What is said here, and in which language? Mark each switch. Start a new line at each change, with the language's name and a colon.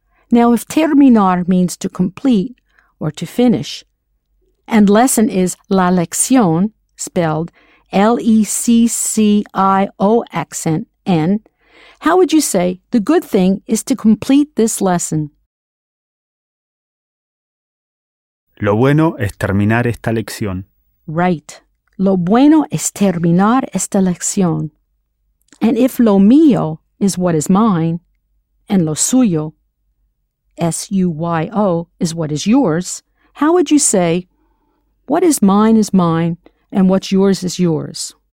English: Now, if terminar means to complete or to finish, and lesson is la lección, spelled L-E-C-C-I-O accent, N, how would you say the good thing is to complete this lesson?
Spanish: Lo bueno es terminar esta lección.
English: Right.
Spanish: Lo bueno es terminar esta lección.
English: And if lo mío is what is mine, and lo suyo, S-U-Y-O, is what is yours, how would you say, what is mine is mine, and what's yours is yours?